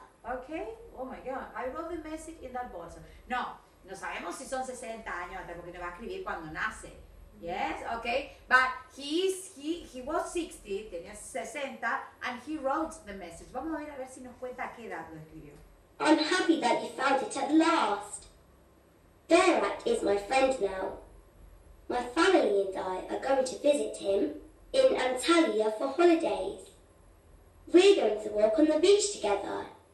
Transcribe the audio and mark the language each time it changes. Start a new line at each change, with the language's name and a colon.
English: Okay, oh my God, I wrote the message in that bottle.
Spanish: No sabemos si son 60 años, porque no va a escribir cuando nace.
English: Yes, okay, but he was 60,
Spanish: tenía 60,
English: and he wrote the message.
Spanish: Vamos a ver si nos cuenta qué edad lo escribió.
English: I'm happy that you found it at last. Berat is my friend now. My family and I are going to visit him in Antalya for holidays. We're going to walk on the beach together.